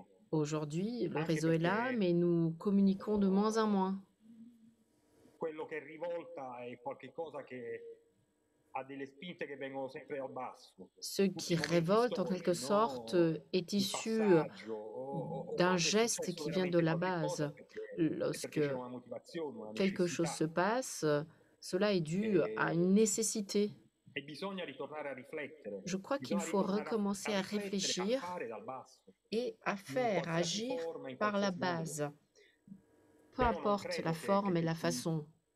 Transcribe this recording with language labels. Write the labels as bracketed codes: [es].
[fr] Aujourd'hui, le réseau est là, mais nous communiquons de moins en moins. [it] Quello che rivolta è qualcosa che a delle spinte che vengono sempre al basso. [fr] Ce qui révolte en quelque sorte est issu d'un geste qui vient de la base. Lorsque quelque chose se passe, cela est dû à une nécessité. [it] E bisogna ritornare a riflettere. [fr] Je crois qu'il faut recommencer à réfléchir et à faire agir par la base, peu importe la forme et la façon.